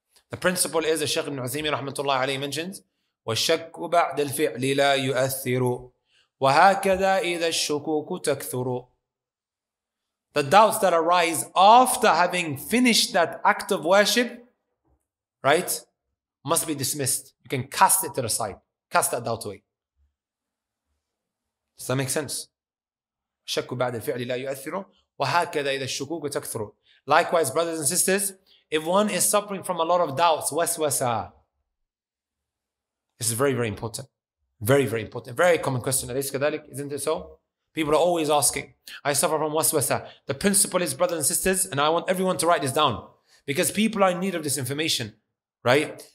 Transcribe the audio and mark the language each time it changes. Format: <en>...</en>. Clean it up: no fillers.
<en>The principle is, Shaykh ibn Uthaymeen rahmatullahi alayhi mentions,</en> <ar>والشك بعد الفعل لا يؤثر وهكذا إذا الشكوك تكثر.</ar> <en>The doubts that arise after having finished that act of worship, right, must be dismissed. You can cast it to the side. Cast that doubt away. Does that make sense?</en> <ar>الشك بعد الفعل لا يؤثر وهكذا إذا الشكوك تكثر.</ar> <en>Likewise, brothers and sisters, if one is suffering from a lot of doubts, waswasa, this is very, very important. Very, very important. Very common question. Isn't it so? People are always asking. I suffer from waswasa. The principle is, brothers and sisters, and I want everyone to write this down, because people are in need of this information, right?</en>